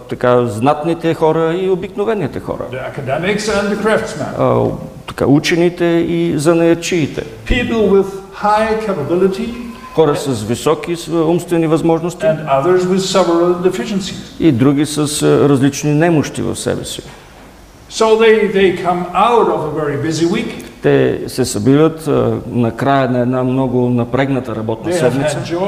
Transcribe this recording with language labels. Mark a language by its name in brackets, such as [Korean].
[Bulgarian] Така знатните хора и обикновените хора. [English] The academics and the craftsmen. [Bulgarian] Така учените и занаятчиите. [English] People with high capability. [Bulgarian] Хора с високи умствени възможности. [English] And others with several deficiencies. [Bulgarian] И други с различни немощи в себе си. [English] So they come out of a very busy week. [Bulgarian] Те се събират на края на една много напрегната работна седмица.